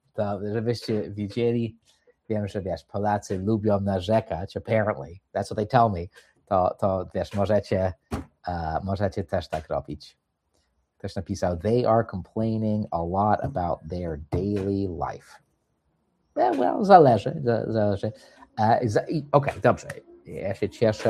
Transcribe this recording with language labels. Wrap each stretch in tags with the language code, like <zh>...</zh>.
<pl>To żebyście widzieli, wiem, że wiesz, Polacy lubią narzekać,</pl> <en>apparently, that's what they tell me,</en> <pl>to wiesz, możecie też tak robić. Ktoś napisał,</pl> <en>they are complaining a lot about their daily life.</en> <pl>Well, zależy, zależy. Okej, dobrze, ja się cieszę.</pl>